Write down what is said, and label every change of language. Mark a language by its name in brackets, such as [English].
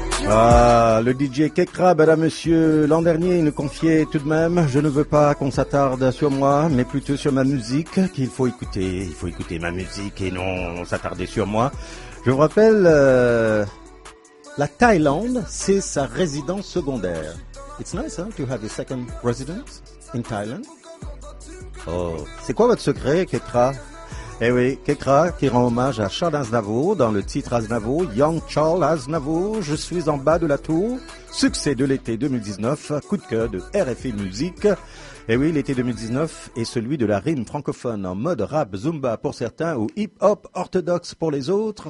[French] Ah, le DJ Kekra, madame, monsieur, l'an dernier, il nous confiait tout de même, je ne veux pas qu'on s'attarde sur moi, mais plutôt sur ma musique, qu'il faut écouter. Il faut écouter ma musique et non s'attarder sur moi. Je vous rappelle, la Thaïlande, c'est sa résidence secondaire. [English] It's nice, hein, to have a second residence in Thailand. [French] Oh, c'est quoi votre secret, Kekra? Eh oui, Kekra qui rend hommage à Charles Aznavour dans le titre Aznavour, Young Charles Aznavour, je suis en bas de la tour, succès de l'été 2019, coup de cœur de RFI Musique. Eh oui, l'été 2019 est celui de la rime francophone en mode rap Zumba pour certains ou hip-hop orthodoxe pour les autres.